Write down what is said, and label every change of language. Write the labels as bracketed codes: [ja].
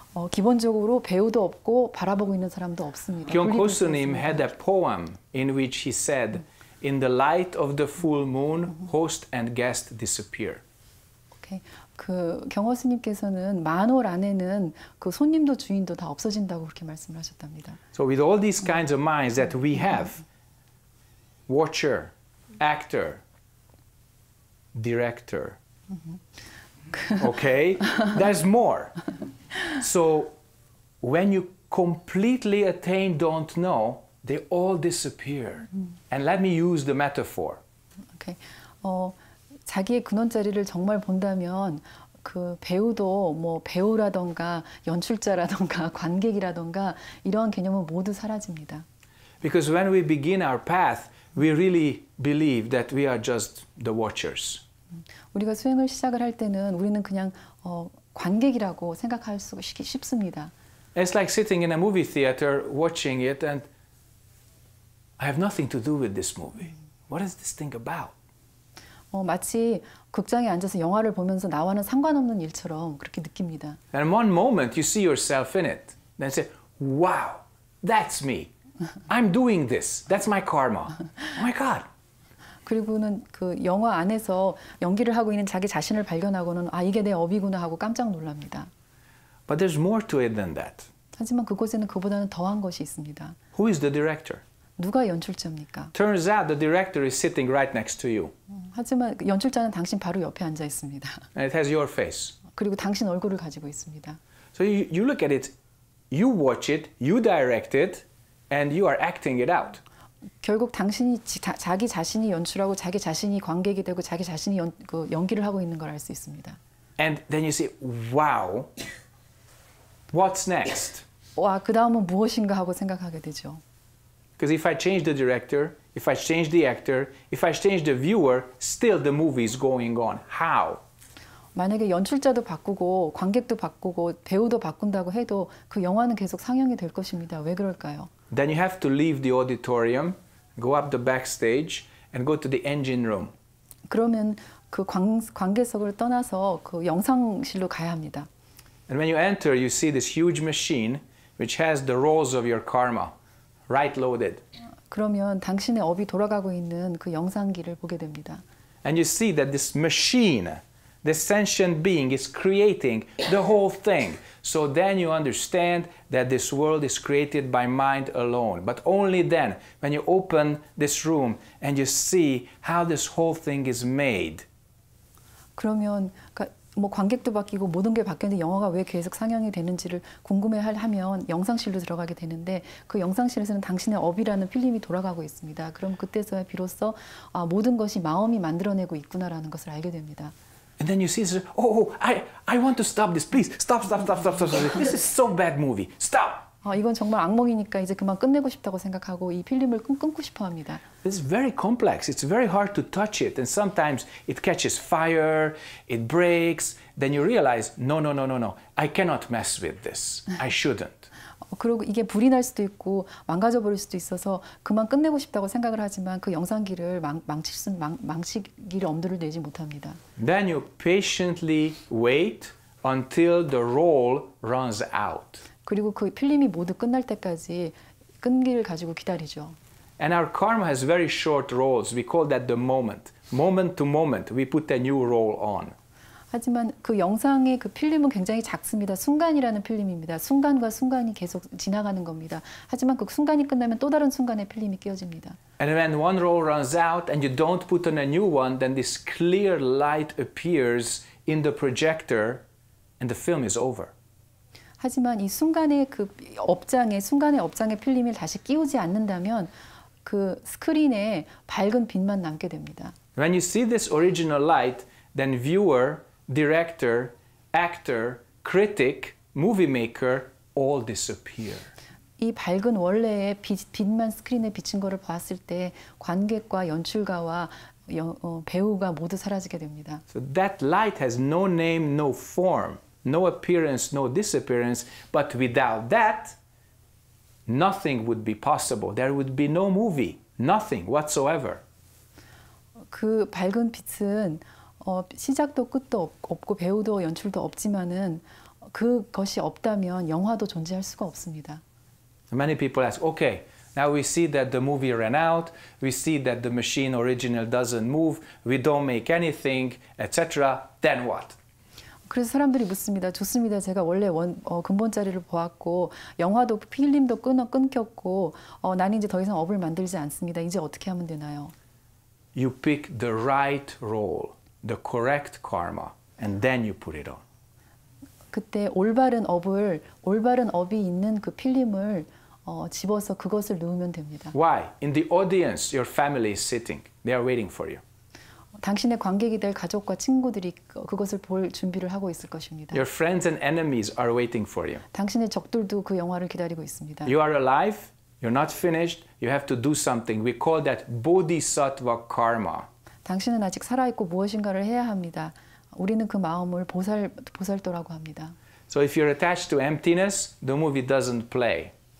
[ko] 기본적으로 배우도 없고 바라보고 있는 사람도 없습니다. [en] Kyung Ho Soo-nim had a poem in which he said, "In the light of the full moon, host and guest disappear." Okay. [ko] 그 경호 스님께서는 만월 안에는 그 손님도 주인도 다 없어진다고 그렇게 말씀을 하셨답니다. [en] So with all these kinds of minds that we have, watcher. Actor, director, okay, there's more. So when you completely attain don't know, they all disappear. And let me use the metaphor. Okay. [ko] 자기의 근원자리를 정말 본다면 그 배우도 뭐 배우라던가 연출자라던가 관객이라던가 이런 개념은 모두 사라집니다. [en] Because when we begin our path, we really believe that we are just the watchers. [ko] 우리가 수행을 시작을 할 때는 우리는 그냥 관객이라고 생각할 수 쉽습니다. [en] It's like sitting in a movie theater watching it and I have nothing to do with this movie. What is this thing about? [ko] 마치 극장에 앉아서 영화를 보면서 나와는 상관없는 일처럼 그렇게 느낍니다. [en] And one moment you see yourself in it. Then say, "Wow, that's me. I'm doing this. That's my karma. Oh my god." [ko] 그리고는 그 영화 안에서 연기를 하고 있는 자기 자신을 발견하고는 아 이게 내 업이구나 하고 깜짝 놀랍니다. [en] But there's more to it than that. [ko] 하지만 그곳에는 그보다는 더한 것이 있습니다. [en] Who is the director? [ko] 누가 연출자입니까? [en] Turns out the director is sitting right next to you. [ko] 하지만 연출자는 당신 바로 옆에 앉아 있습니다. [en] And it has your face. [ko] 그리고 당신 얼굴을 가지고 있습니다. [en] So you look at it, you watch it, you direct it, and you are acting it out. [ko] 결국 당신이 자기 자신이 연출하고 자기 자신이 관객이 되고 자기 자신이 연기를 하고 있는 걸 알 수 있습니다. [en] And then you say, "Wow, what's next?" [ko] 와, 그 다음은 무엇인가 하고 생각하게 되죠. [en] Because if I change the director, if I change the actor, if I change the viewer, still the movie is going on. How? [ko] 만약에 연출자도 바꾸고 관객도 바꾸고 배우도 바꾼다고 해도 그 영화는 계속 상영이 될 것입니다. 왜 그럴까요? [en] Then you have to leave the auditorium, go up the backstage, and go to the engine room. [ko] 그러면 그 관객석을 떠나서 그 영상실로 가야 합니다. [en] And when you enter, you see this huge machine which has the rolls of your karma. Right loaded. [ko] 그러면 당신의 업이 돌아가고 있는 그 영상기를 보게 됩니다. [en] And you see that this machine, this sentient being is creating the whole thing. So then you understand that this world is created by mind alone. But only then, when you open this room and you see how this whole thing is made. [ko] 그러면 뭐 관객도 바뀌고 모든 게 바뀌는데 영화가 왜 계속 상영이 되는지를 궁금해하면 영상실로 들어가게 되는데 그 영상실에서는 당신의 업이라는 필름이 돌아가고 있습니다. 그럼 그때서야 비로소 아, 모든 것이 마음이 만들어내고 있구나라는 것을 알게 됩니다. [en] And then you see, "Oh, I want to stop this. Please, stop, stop, stop, stop, stop, stop. This is so bad movie. Stop." [ko] 아, 이건 정말 악몽이니까 이제 그만 끝내고 싶다고 생각하고 이 필름을 끊고 싶어 합니다. [en] It's very complex. It's very hard to touch it. And sometimes it catches fire, it breaks. Then you realize, no. I cannot mess with this. I shouldn't. [ko] 그리고 이게 불이 날 수도 있고 망가져 버릴 수도 있어서 그만 끝내고 싶다고 생각을 하지만 그 영상기를 망치기를 엄두를 내지 못합니다. [en] Then you patiently wait until the roll runs out. [ko] 그리고 그 필름이 모두 끝날 때까지 끈기를 가지고 기다리죠. [en] And our karma has very short rolls. We call that the moment. Moment to moment, we put a new roll on. [ko] 하지만 그 영상의 그 필름은 굉장히 작습니다. 순간이라는 필름입니다. 순간과 순간이 계속 지나가는 겁니다. 하지만 그 순간이 끝나면 또 다른 순간의 필름이 끼어집니다. [en] And when one roll runs out and you don't put on a new one, then this clear light appears in the projector and the film is over. [ko] 하지만 이 순간의 그 업장에 순간의 업장에 필름을 다시 끼우지 않는다면 그 스크린에 밝은 빛만 남게 됩니다. [en] When you see this original light, then viewer, director, actor, critic, movie maker all disappear. [ko] 이 밝은 원래의 빛만 스크린에 비친 거를 봤을 때 관객과 연출가와 배우가 모두 사라지게 됩니다. [en] So that light has no name, no form. No appearance, no disappearance, but without that, nothing would be possible. There would be no movie, nothing whatsoever. [ko] 그 밝은 빛은 시작도 끝도 없고 배우도 연출도 없지만은 그것이 없다면 영화도 존재할 수가 없습니다. [en] Many people ask, "Okay, now we see that the movie ran out. We see that the machine original doesn't move. We don't make anything, etc. Then what?" [ko] 그래서 사람들이 묻습니다. 좋습니다. 제가 원래 근본 자리를 보았고 영화도 필름도 끊겼고 나는 이제 더 이상 업을 만들지 않습니다. 이제 어떻게 하면 되나요? [en] You pick the right role, the correct karma, and then you put it on. [ko] 그때 올바른 업이 있는 그 필름을 집어서 그것을 넣으면 됩니다. [en] Why? In the audience, your family is sitting. They are waiting for you. [ko] 당신의 관객이 될 가족과 친구들이 그것을 볼 준비를 하고 있을 것입니다. [en] Your friends and enemies are waiting for you. [ko] 당신의 적들도 그 영화를 기다리고 있습니다. [en] You are alive. You're not finished. You have to do something. We call that bodhisattva karma. [ko] 당신은 아직 살아 있고 무엇인가를 해야 합니다. 우리는 그 마음을 보살도라고 합니다. [en] So if you're attached to emptiness, the movie doesn't play.